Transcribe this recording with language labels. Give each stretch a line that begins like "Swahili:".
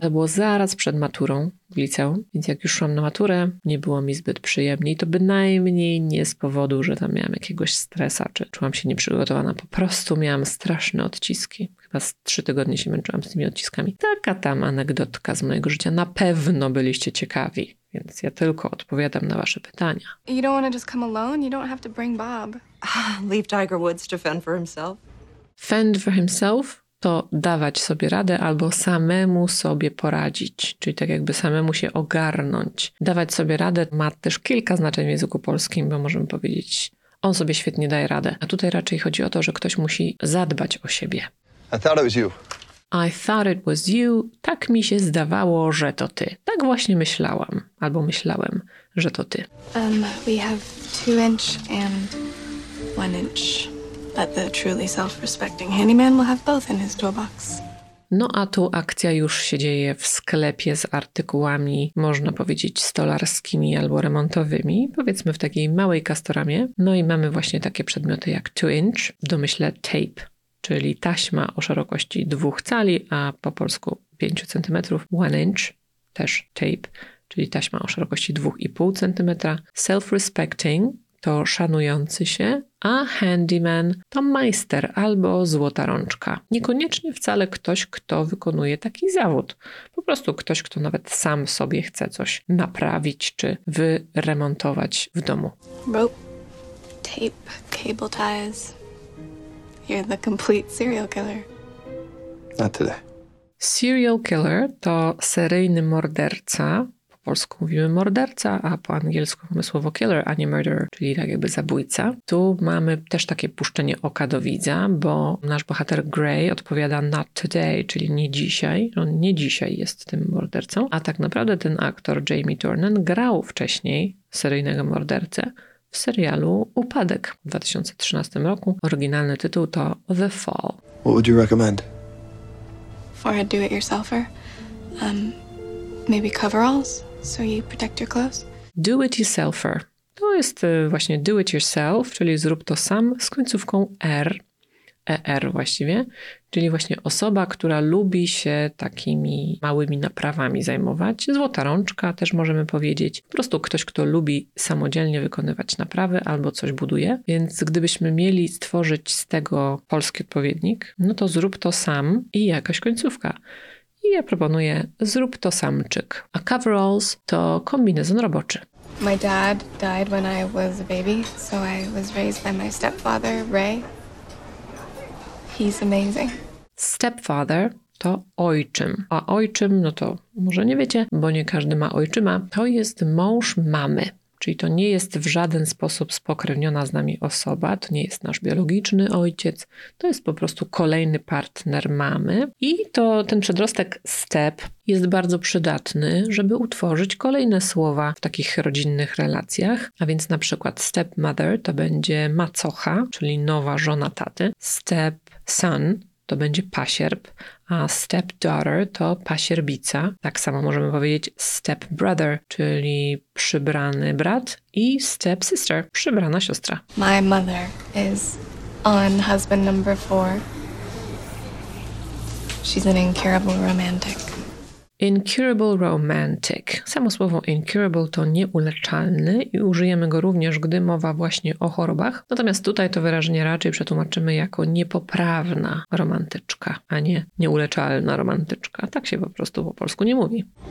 Polish: To było zaraz przed maturą w liceum, więc jak już szłam na maturę, nie było mi zbyt przyjemnie i to bynajmniej nie z powodu, że tam miałam jakiegoś stresa, czy czułam się nieprzygotowana. Po prostu miałam straszne odciski. Chyba z 3 tygodnie się męczyłam z tymi odciskami. Taka tam anegdotka z mojego życia. Na pewno byliście ciekawi, więc ja tylko odpowiadam na wasze pytania.
English: You don't want to just come alone? You don't have to bring Bob. Leave Tiger Woods to fend for himself. Fend for himself?
Polish: To dawać sobie radę albo samemu sobie poradzić, czyli tak jakby samemu się ogarnąć. Dawać sobie radę ma też kilka znaczeń w języku polskim, bo możemy powiedzieć, on sobie świetnie daje radę. A tutaj raczej chodzi o to, że ktoś musi zadbać o siebie.
English: I thought it was you. I thought it was you.
Polish: Tak mi się zdawało, że to ty. Tak właśnie myślałam, albo myślałem, że to ty.
English: We have 2-inch and 1-inch. But the truly self-respecting handyman will have both in his toolbox.
Polish: No a tu akcja już się dzieje w sklepie z artykułami, można powiedzieć, stolarskimi albo remontowymi, powiedzmy w takiej małej kastoramie. No i mamy właśnie takie przedmioty jak 2-inch, w domyśle tape, czyli taśma o szerokości 2 cali, a po polsku 5 cm, 1-inch, też tape, czyli taśma o szerokości 2,5 cm, self-respecting, to szanujący się, a handyman to majster albo złota rączka. Niekoniecznie wcale ktoś, kto wykonuje taki zawód. Po prostu ktoś, kto nawet sam sobie chce coś naprawić czy wyremontować w domu.
English: Rope, tape, cable ties. You're the complete serial killer.
Polish: Na tyle. Serial killer to seryjny morderca. Po polsku mówimy morderca, a po angielsku mamy słowo killer, a nie murderer, czyli tak jakby zabójca. Tu mamy też takie puszczenie oka do widza, bo nasz bohater Gray odpowiada
English: not today,
Polish: czyli nie dzisiaj. On nie dzisiaj jest tym mordercą, a tak naprawdę ten aktor Jamie Dornan grał wcześniej seryjnego mordercę w serialu Upadek w 2013 roku. Oryginalny tytuł to The Fall.
English: What would you recommend? For a do-it-yourselfer? Maybe coveralls, so you protect your clothes. Do it yourselfer.
Polish: To jest właśnie
English: do it yourself,
Polish: czyli zrób to sam z końcówką R. ER właściwie. Czyli właśnie osoba, która lubi się takimi małymi naprawami zajmować. Złota rączka też możemy powiedzieć. Po prostu ktoś, kto lubi samodzielnie wykonywać naprawy albo coś buduje. Więc gdybyśmy mieli stworzyć z tego polski odpowiednik, no to zrób to sam i jakaś końcówka. I ja proponuję, zrób to samczyk. A coveralls to kombinezon roboczy.
English: My dad died when I was a baby, so I was raised by my stepfather, Ray. He's amazing.
Polish: Stepfather to ojczym. A ojczym, no to może nie wiecie, bo nie każdy ma ojczyma. To jest mąż mamy. Czyli to nie jest w żaden sposób spokrewniona z nami osoba, to nie jest nasz biologiczny ojciec, to jest po prostu kolejny partner mamy. I to ten przedrostek step jest bardzo przydatny, żeby utworzyć kolejne słowa w takich rodzinnych relacjach. A więc na przykład stepmother to będzie macocha, czyli nowa żona taty. Step son to będzie pasierb, a stepdaughter to pasierbica. Tak samo możemy powiedzieć stepbrother, czyli przybrany brat, i stepsister, przybrana siostra.
English: My mother is on husband number 4. She's an incurable romantic. Incurable romantic.
Polish: Samo słowo incurable to nieuleczalny i użyjemy go również, gdy mowa właśnie o chorobach. Natomiast tutaj to wyrażenie raczej przetłumaczymy jako niepoprawna romantyczka, a nie nieuleczalna romantyczka. Tak się po prostu po polsku nie mówi.